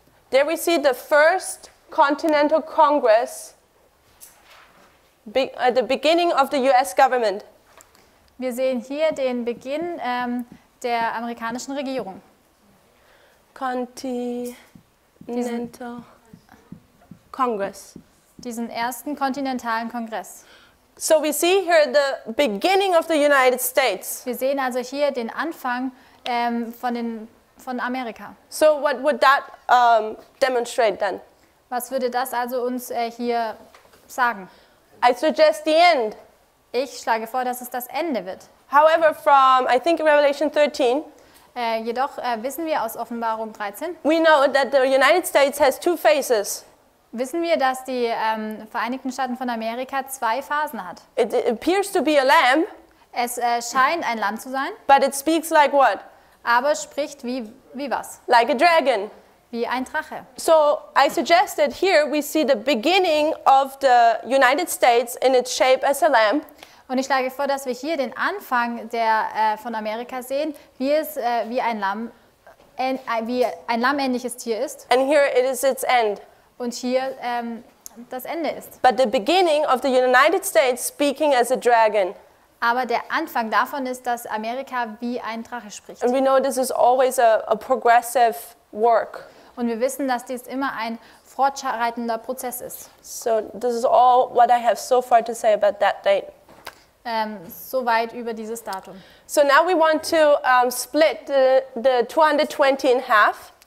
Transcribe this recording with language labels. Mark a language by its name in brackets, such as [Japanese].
[English] There we see the first Continental Congress at the beginning of the US government. [German] Wir sehen hier den Beginn der amerikanischen Regierung. [English] Continental Congress. [German] Diesen ersten kontinentalen Kongress. [English] So we see here the beginning of the United States. [German] Wir sehen also hier den Anfang von Amerika. [English] So what would that demonstrate then? [German] Was würde das also uns hier sagen? [English] I suggest the end. [German] Ich schlage vor, dass es das Ende wird. [English] However, from I think Revelation 13. [German] Jedoch wissen wir aus Offenbarung 13. [English] We know that the United States has two phases. [German] Wissen wir, dass die Vereinigten Staaten von Amerika zwei Phasen hat? [English] It appears to be a lamb. [German] Es scheint ein Lamm zu sein. [English] But it speaks like what? [German] Aber spricht wie was? [English] Like a dragon. [German] Wie ein Drache. [English] So I suggest that here we see the beginning of the United States in its shape as a lamb. [German] Und ich schlage vor, dass wir hier den Anfang der von Amerika sehen, wie es wie ein lammähnliches Tier ist. [English] And here it is its end. [German] Und hier das Ende ist. [English] But the beginning of the United States speaking as a dragon. [German] Aber der Anfang davon ist, dass Amerika wie ein Drache spricht. [English] And we know this is always a progressive work. [German] Und wir wissen, dass dies immer ein fortschreitender Prozess ist. [English] So this is all what I have so far to say about that date. [German] Soweit über dieses Datum. [English] So now we want to split the 220 in half.